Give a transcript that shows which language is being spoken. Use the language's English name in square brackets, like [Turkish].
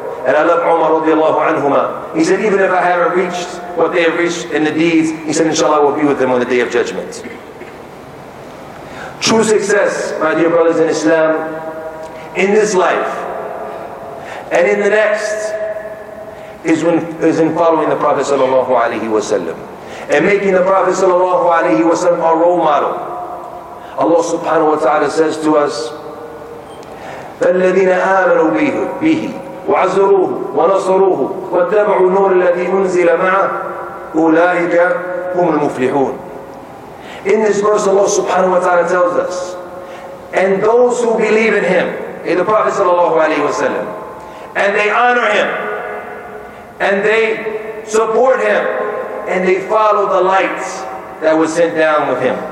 [English] And I love Umar radiallahu anhuma. He said, even if I haven't reached what they have reached in the deeds, he said, inshallah, I will be with them on the Day of Judgment. True success, my dear brothers in Islam, in this life and in the next, is in following the Prophet sallallahu alayhi wa sallam. And making the Prophet sallallahu alayhi wa sallam our role model. Allah subhanahu wa ta'ala says to us, [Arabic] فَالَّذِينَ آمَنُوا بِهِ وَعَزَرُوهُ وَنَصَرُوهُ وَاتَّبَعُوا النُّورَ الَّذِي أُنزِلَ مَعَهُ أُولَٰئِكَ هُمُ الْمُفْلِحُونَ. [English] In this verse Allah subhanahu wa ta'ala tells us, and those who believe in Him, in the Prophet sallallahu alayhi wa sallam, and they honor Him, and they support Him, and they followed the light that was sent down with him.